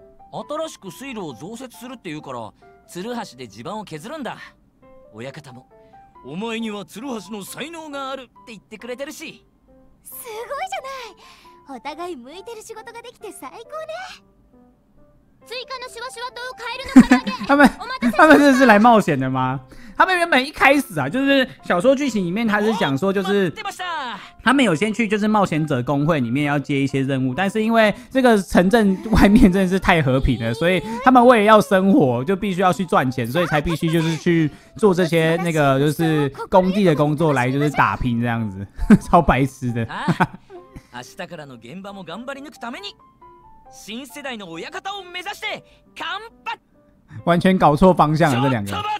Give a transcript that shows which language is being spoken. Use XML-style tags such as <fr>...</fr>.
<ja>新しく水路を増設するっていうから、鶴橋で地盤を削るんだ。親方も。お前には鶴橋の才能があるって言ってくれてるし。すごいじゃない。お互い向いてる仕事ができて最高ね。追加のシュワシュワとカエルの唐揚げ。</ja> <zh>他们这是来冒险的吗？他们原本一开始啊，就是小说剧情里面他是讲说，就是他们有先去就是冒险者工会里面要接一些任务，但是因为这个城镇外面真的是太和平了，所以他们为了要生活就必须要去赚钱，所以才必须就是去做这些那个就是工地的工作来就是打拼这样子，超白痴的。</zh> <ja>明日からの現場も頑張り抜くために新世代の親方を目指して乾杯。</ja> <zh>完全搞错方向了，这两个。</zh>